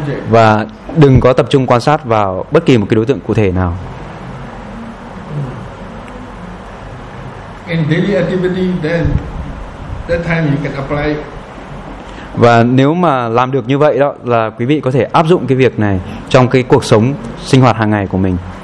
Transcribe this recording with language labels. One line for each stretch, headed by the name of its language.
Vietnamese: Và đừng có tập trung quan sát vào bất kỳ một cái đối tượng cụ thể nào.
English: In daily activity, then that time you can apply.
Vietnamese: Và nếu mà làm được như vậy đó là quý vị có thể áp dụng cái việc này trong cái cuộc sống sinh hoạt hàng ngày của mình.